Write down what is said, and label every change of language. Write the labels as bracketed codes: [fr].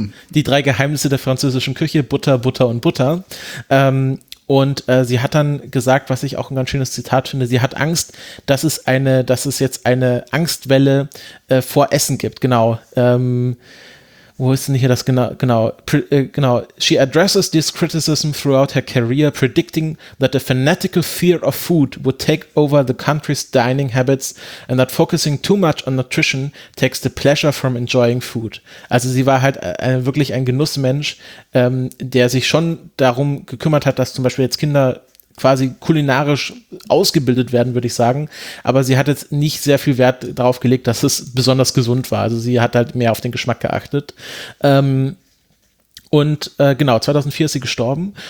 [de] die 3 Geheimnisse der französischen Küche, Butter, Butter und Butter. Und sie hat dann gesagt, was ich auch ein ganz schönes Zitat finde, sie hat Angst, dass es jetzt eine Angstwelle vor Essen gibt. Genau. Wo ist denn hier das genau? [en] She addresses this criticism throughout her career, predicting that a fanatical fear of food would take over the country's dining habits and that focusing too much on nutrition takes the pleasure from enjoying food. [de] Also sie war halt wirklich ein Genussmensch, der sich schon darum gekümmert hat, dass zum Beispiel jetzt Kinder quasi kulinarisch ausgebildet werden, würde ich sagen. Aber sie hat jetzt nicht sehr viel Wert darauf gelegt, dass es besonders gesund war. Also sie hat halt mehr auf den Geschmack geachtet. Und genau, 2004 ist sie gestorben.